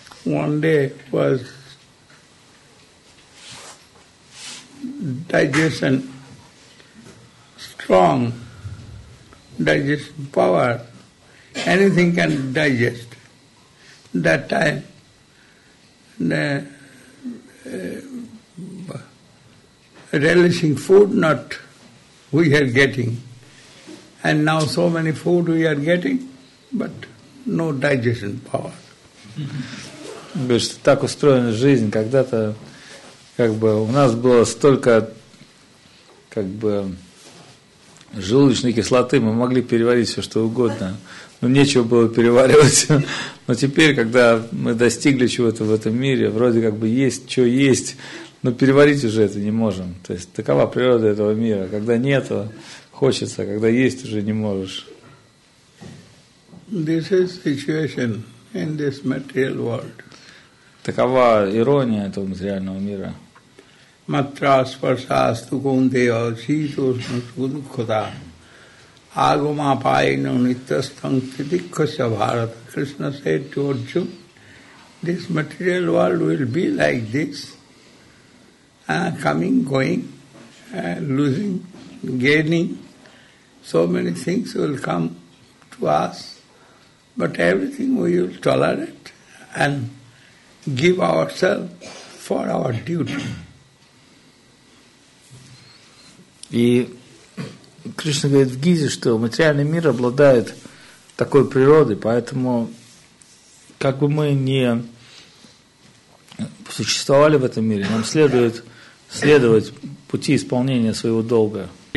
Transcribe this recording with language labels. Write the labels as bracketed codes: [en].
[en] One day was digestion strong, digestion power, anything can digest. That time, the relishing food not we are getting, and now so many food we are getting, but no digestion power. [ru] Говорит, так устроена жизнь, когда-то. Как бы у нас было столько как бы желудочной кислоты, мы могли переварить все, что угодно, но нечего было переваривать. Но теперь, когда мы достигли чего-то в этом мире, вроде как бы есть, что есть, но переварить уже это не можем. То есть такова природа этого мира. Когда нет, хочется, когда есть, уже не можешь. [en] This is situation in this material world. [ru] Такова ирония этого материального мира. [sa] Матрас парсас тукундео ситошна сгудхода агума пайну нитастан тидикхаса бхарата. [en] Krishna said to Arjuna, this material world will be like this, coming, going, losing, gaining. So many things will come to us, but everything we will tolerate and give ourselves for our duty. [ru] И Кришна говорит в Гите, что материальный мир обладает такой природой, поэтому как бы мы ни существовали в этом мире, нам следует следовать пути исполнения своего долга.